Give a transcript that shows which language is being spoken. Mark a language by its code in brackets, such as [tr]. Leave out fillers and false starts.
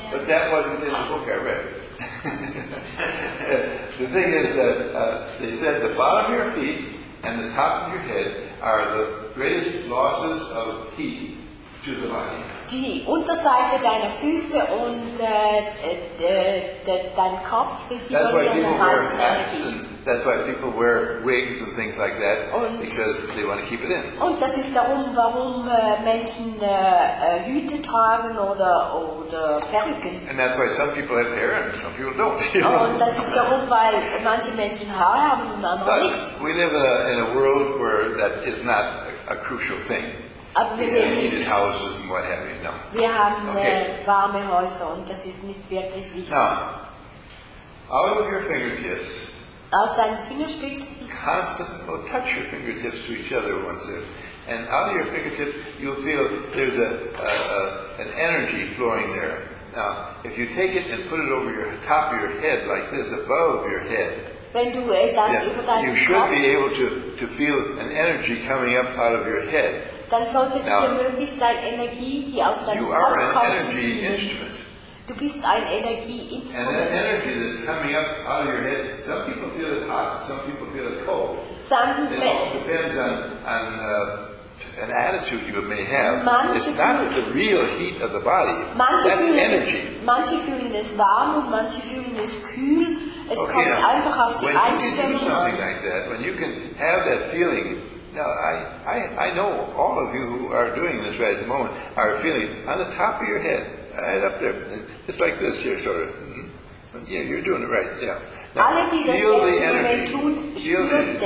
[en] But that wasn't in the book I read. The thing is that they said the bottom of your feet and the top of your head are the greatest losses of heat to the body. [de] Die Unterseite deiner Füße und dein Kopf, die verlieren. [en] That's why people wear wigs and things like that, because they want to keep it in. [de] Und das ist darum, warum Menschen Hüte tragen oder Perücken. [en] And that's why some people have hair and some people don't. [de] Und das ist darum, weil manche Menschen Haare haben und andere nicht. [en] But we live in a world where that is not a crucial thing. Heated houses and what have you. No. [de] Wir haben warme Häuser und das ist nicht wirklich wichtig. [en] Now, out of your fingertips. [de] Aus deinen Fingerspitzen. [en] Constantly, well, touch your fingertips to each other once in. And out of your fingertips, you'll feel there's an energy flowing there. Now, if you take it and put it over your top of your head, like this, above your head, [de] wenn du das über deinen [en] you should be able to feel an energy coming up out of your head. [de] Dann solltest du möglich sein, Energie, die aus deinem Kopf kommt. [en] You are an energy instrument. [de] Du bist ein Energieinstrument. [en] And that energy that's coming up out of your head, some people feel it hot, some people feel it cold. It all depends on an attitude you may have. It's not the real heat of the body. That's energy. [de] Manche fühlen es warm und manche fühlen es kühl. Es kommt einfach auf die Einstellung. [en] When you can do something like that, when you can have that feeling. Now, I know all of you who are doing this right at the moment are feeling on the top of your head. Right up there, just like this here, sort of. Yeah, you're doing it right, yeah. Now, feel the energy.